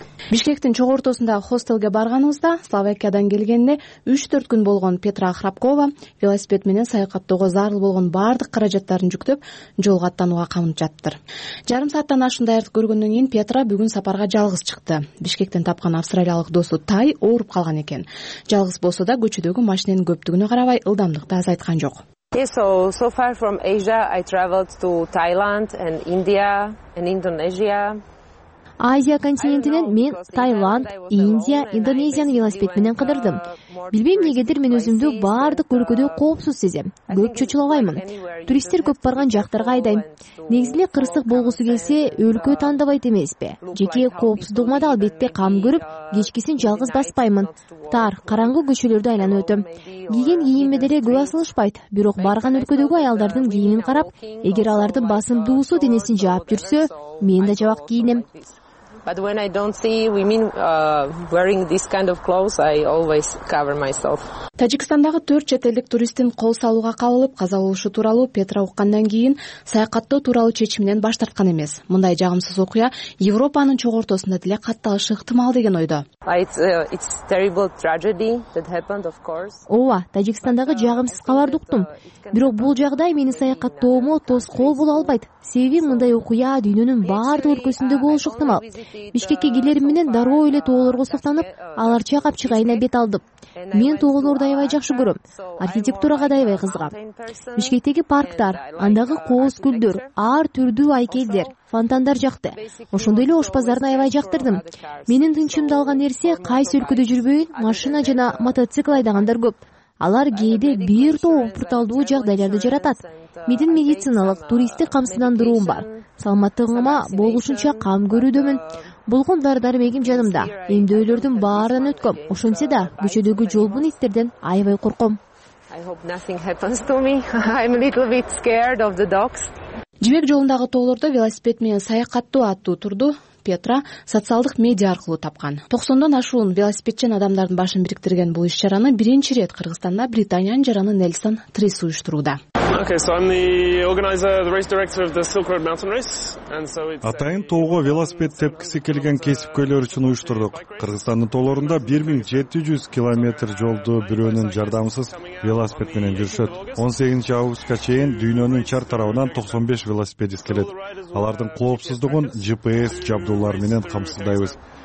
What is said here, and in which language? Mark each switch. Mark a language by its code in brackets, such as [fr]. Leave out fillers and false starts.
[ky] Бишкектин чоң ортосундагы хостелге барганыбызда Словакиядан келгенине 3-4 күн болгон Петра Храпкова велосипед менен саякаттоого зарыл болгон бардык каражаттарын жүктөп жолго аттанууга камынып жатыптыр. Жарым сааттан ашуун даярдык көргөндөн кийин Петра бүгүн сапарга жалгыз чыкты. Бишкектен тапкан австралиялык досу Тай ооруп калган экен. Жалгыз болсо да көчөдөгү машиненин көптүгүнө карабай ылдамдыкты азайткан жок. [en] So far from Asia I traveled to Thailand and India and Indonesia. [ky] Азия континентинен мен Тайланд, Индия, Индонезияны велосипед менен кыдырдым. Билбейм негедир мен өзүмдү бардык өлкөдө коопсуз сезем. Көп чочулабаймын. Туристтер көп барган жактарга айдайм. Негизинде кырсык болгусу келсе, өлкө тандабайт эмеспи? Жеке коопсуздугума да албетте кам көрүп, кечкисин жалгыз баспаймын. Тар, караңгы көчөлөрдү айланып өтөм. Кийген кийими деле көз асылышпайт, бирок барган өлкөдөгү аялдардын кийимин карап, эгер алардын басын дуусу денесин жаап жүрсө, мен да жабак кийинем. [en] But when I don't see women wearing this kind of clothes, I always cover myself. [ky] Тажикстандагы 4 чет элдик туристтин кол салууга кабылып, каза болушу тууралуу Петра уккандан кийин саякаттоо тууралуу чечиминен баш тарткан эмес. Мындай жагымсыз окуя Европанын чоң ортосунда деле катталышы ыктымал деген ойдо. [en] It's terrible tragedy that happened, of course. [ky] Ооба, Тажикстандагы жагымсыз кабарды уктум. Бирок бул жагдай менин саякаттоомо тоскоол боло албайт. Себеби мындай окуя дүйнөнүн бардык өлкөсүндө болушу ыктымал. Бишкекке келерим менен дароо эле тоолорго суктанып, алар чагап чыгайына бет алдым. Мен тоолорду аябай жакшы көрөм. Архитектурага да аябай кызыгам. Бишкектеги парктар, андагы кооз күлдөр, ар түрдүү айкелдер, фонтандар жакты. Ошондой эле ош базарын аябай жактырдым. Менин тынчымды алган нерсе кайсы өлкөдө жүрбөйүн, машина жана мотоцикл айдагандар көп. Алар кээде бир топ порталдуу жагдайларды жаратат. Мидин медициналык, туристтик камсыздандыруум бар. Саламаттыгыма болушунча кам көрүүдөмүн. Болгон дары-дармегим жанымда. Эмдөөлөрдүн баарынан өткөм. Ошентсе да, көчөдөгү жолбун иттерден аябай корком. [en] I hope nothing happens to me. I'm a little bit scared of the dogs. [ky] Жибек жолундагы тоолордо велосипед менен саякаттоо аттуу турду Петра социалдык медиа аркылуу тапкан. 90 ашуун велосипедчен адамдардын башын бириктирген бул иш-чараны биринчи ирет Кыргызстанда Британиянын жараны Нельсон Трис уюштурууда. [en] Okay, so I'm the organizer, the race director of the Silk Road Mountain Race, and so it's [ky] Атайын тоого велосипед тепкиси келген кесипкөйлөр үчүн уюштурдук. Кыргызстандын тоолорунда 1700 километр жолду бирөөнүн жардамысыз велосипед менен жүрүшөт. 18 августка чейин дүйнөнүн чар тарабынан 95 велосипедист келет. Алардын коопсуздугун GPS жабдуулар менен камсыздайбыз.